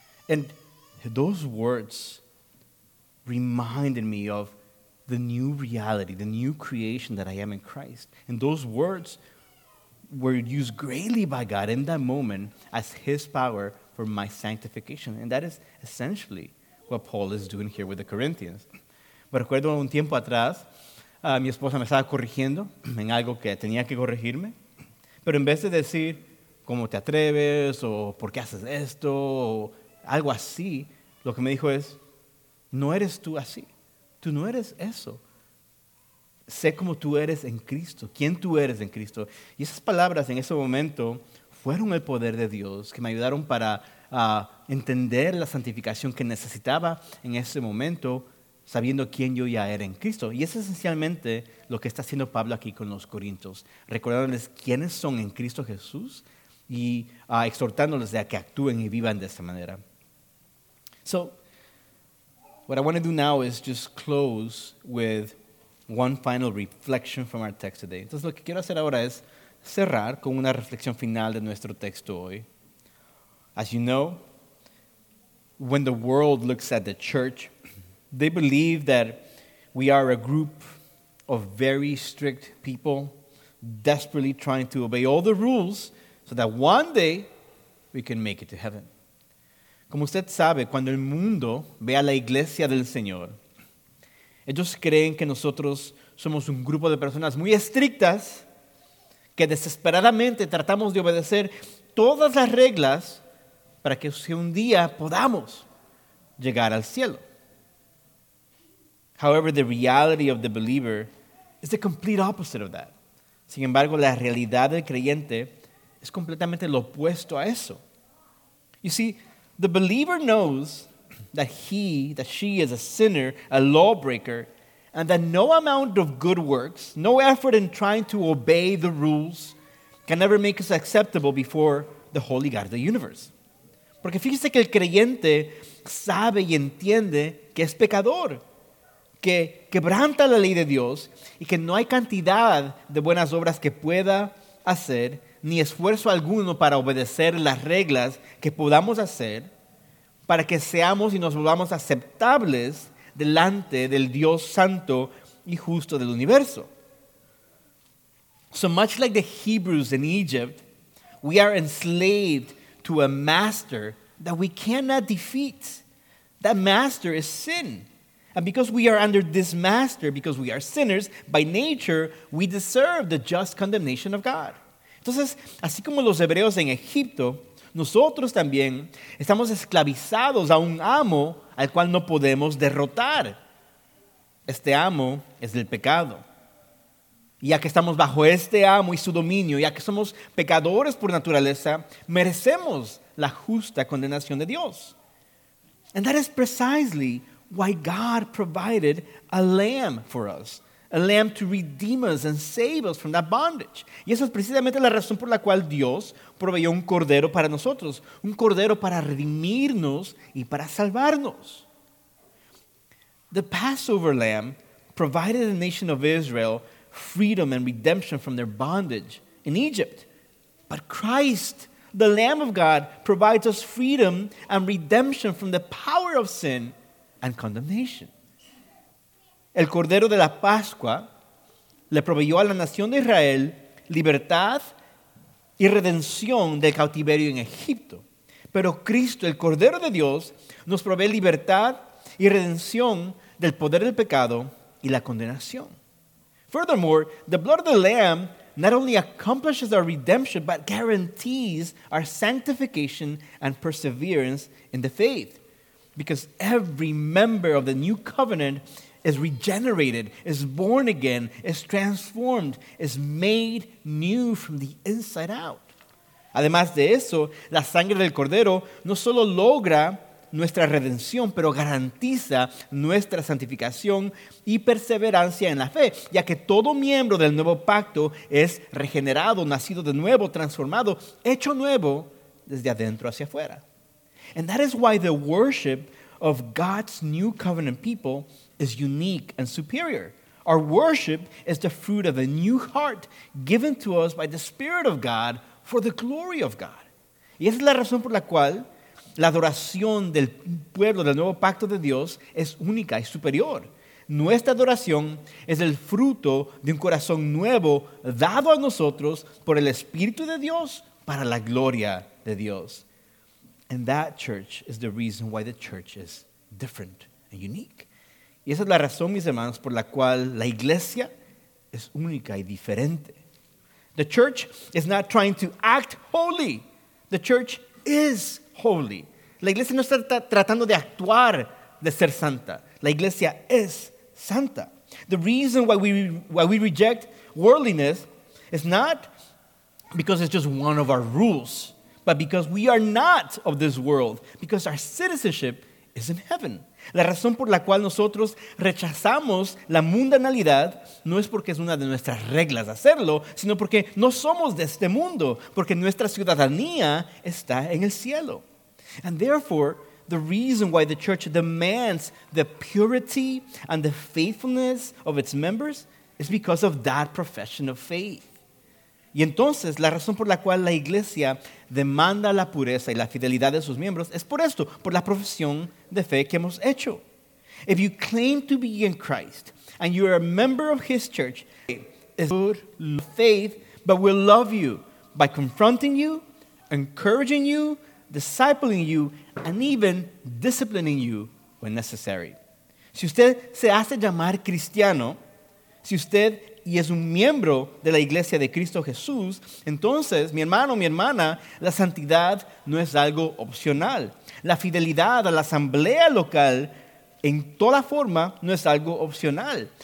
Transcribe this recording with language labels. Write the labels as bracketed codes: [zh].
[en] And those words reminded me of the new reality, the new creation that I am in Christ. And those words were used greatly by God in that moment as his power for my sanctification. And that is essentially what Paul is doing here with the Corinthians. [es] Me recuerdo un tiempo atrás, mi esposa me estaba corrigiendo en algo que tenía que corregirme, pero en vez de decir, ¿cómo te atreves? O ¿por qué haces esto? O algo así, lo que me dijo es, no eres tú así. Tú no eres eso. Sé cómo tú eres en Cristo. ¿Quién tú eres en Cristo? Y esas palabras en ese momento fueron el poder de Dios que me ayudaron para entender la santificación que necesitaba en ese momento, sabiendo quién yo ya era en Cristo. Y es esencialmente lo que está haciendo Pablo aquí con los corintios, recordándoles quiénes son en Cristo Jesús y exhortándoles a que actúen y vivan de esta manera. [en] So, what I want to do now is just close with one final reflection from our text today. [es] Entonces, lo que quiero hacer ahora es cerrar con una reflexión final de nuestro texto hoy. [en] As you know, when the world looks at the church, they believe that we are a group of very strict people, desperately trying to obey all the rules so that one day we can make it to heaven. [es] Como usted sabe, cuando el mundo ve a la iglesia del Señor, ellos creen que nosotros somos un grupo de personas muy estrictas que desesperadamente tratamos de obedecer todas las reglas para que un día podamos llegar al cielo. [en] However, the reality of the believer is the complete opposite of that. [es] Sin embargo, la realidad del creyente es completamente lo opuesto a eso. [en] You see, the believer knows that she is a sinner, a lawbreaker, and that no amount of good works, no effort in trying to obey the rules, can ever make us acceptable before the holy God of the universe. [es] Porque fíjese que el creyente sabe y entiende que es pecador, que quebranta la ley de Dios y que no hay cantidad de buenas obras que pueda hacer ni esfuerzo alguno para obedecer las reglas que podamos hacer para que seamos y nos volvamos aceptables delante del Dios santo y justo del universo. [en] So much like the Hebrews in Egypt, we are enslaved to a master that we cannot defeat. That master is sin. And because we are under this master, because we are sinners, by nature, we deserve the just condemnation of God. [es] Entonces, así como los hebreos en Egipto, nosotros también estamos esclavizados a un amo al cual no podemos derrotar. Este amo es del pecado. Y ya que estamos bajo este amo y su dominio, ya que somos pecadores por naturaleza, merecemos la justa condenación de Dios. [en] And that is precisely why God provided a lamb for us. A lamb to redeem us and save us from that bondage. [es] Y esa es precisamente la razón por la cual Dios proveyó un cordero para nosotros. Un cordero para redimirnos y para salvarnos. [en] The Passover lamb provided the nation of Israel freedom and redemption from their bondage in Egypt. But Christ, the Lamb of God, provides us freedom and redemption from the power of sin and condemnation. [es] El Cordero de la Pascua le proveyó a la nación de Israel libertad y redención del cautiverio en Egipto. Pero Cristo, el Cordero de Dios, nos provee libertad y redención del poder del pecado y la condenación. [en] Furthermore, the blood of the Lamb not only accomplishes our redemption, but guarantees our sanctification and perseverance in the faith. Because every member of the new covenant is regenerated, is born again, is transformed, is made new from the inside out. [es] Además de eso, la sangre del Cordero no solo logra nuestra redención, pero garantiza nuestra santificación y perseverancia en la fe, ya que todo miembro del nuevo pacto es regenerado, nacido de nuevo, transformado, hecho nuevo desde adentro hacia afuera. [en] And that is why the worship of God's new covenant people is unique and superior. Our worship is the fruit of a new heart given to us by the Spirit of God for the glory of God. [es] Y esa es la razón por la cual la adoración del pueblo del nuevo pacto de Dios es única y superior. Nuestra adoración es el fruto de un corazón nuevo dado a nosotros por el Espíritu de Dios para la gloria de Dios. [en] And that, church, is the reason why the church is different and unique. [es] Y esa es la razón, mis hermanos, por la cual la iglesia es única y diferente. [en] The church is not trying to act holy. The church is holy. [es] La iglesia no está tratando de actuar de ser santa. La iglesia es santa. [en] The reason why we reject worldliness is not because it's just one of our rules, but because we are not of this world, because our citizenship is in heaven. [es] La razón por la cual nosotros rechazamos la mundanalidad no es porque es una de nuestras reglas hacerlo, sino porque no somos de este mundo, porque nuestra ciudadanía está en el cielo. [en] And therefore, the reason why the church demands the purity and the faithfulness of its members is because of that profession of faith. [es] Y entonces, la razón por la cual la iglesia demanda la pureza y la fidelidad de sus miembros es por esto, por la profesión de fe que hemos hecho. [en] If you claim to be in Christ and you are a member of his church, it's good faith, but will love you by confronting you, encouraging you, discipling you, and even disciplining you when necessary. [es] Si usted se hace llamar cristiano, si usted y es un miembro de la iglesia de Cristo Jesús, entonces, mi hermano, mi hermana, la santidad no es algo opcional. La fidelidad a la asamblea local en toda forma no es algo opcional.